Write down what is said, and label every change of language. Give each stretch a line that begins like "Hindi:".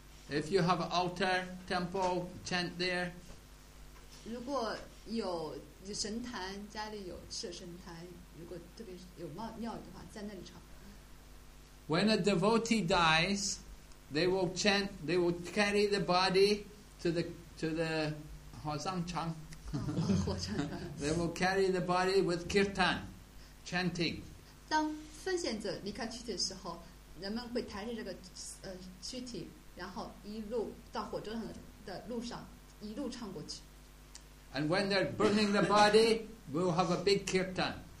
English: If you have an altar, temple, chant there.
Chinese: 如果有神坛，家里有设神坛，如果特别有庙的话，在那里唱。
English: When a devotee dies, they will chant. They will carry the body to the 火葬场。
Chinese: 火葬场。
English: They will carry the body with kirtan, chanting.
Chinese: 当奉献者离开躯体的时候，人们会抬着这个躯体。然后一路到火车上的路上，一路唱过去。
English: And when they're burning the body, we'll have a big kirtan.